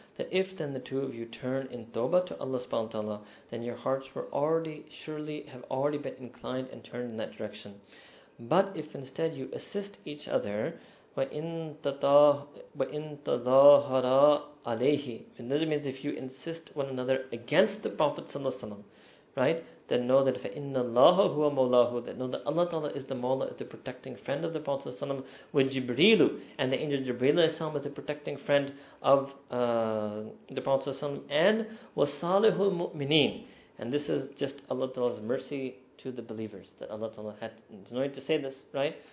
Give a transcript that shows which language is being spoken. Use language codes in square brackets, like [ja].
[en] That if then the two of you turn in tawbah to Allah subhanahu wa ta'ala, then your hearts were already, surely have already been inclined and turned in that direction. But if instead you assist each other, [ar] وَإِنْ تَظَاهَرَا عَلَيْهِ. [en] And this means if you insist one another against the Prophet ﷺ, right? Then know that [ar] فَإِنَّ اللَّهَ هُوَ مَوْلَاهُ. [en] Then know that Allah Ta'ala is the Mawla, is the protecting friend of the Prophet ﷺ, [ar] وَجِبْرِيلُ. [en] And the angel Jibreel is the protecting friend of the Prophet ﷺ, and [ar] وَصَالِهُ الْمُؤْمِنِينَ. [en] And this is just Allah Ta'ala's mercy to the believers, that Allah Ta'ala had no need to say this, right?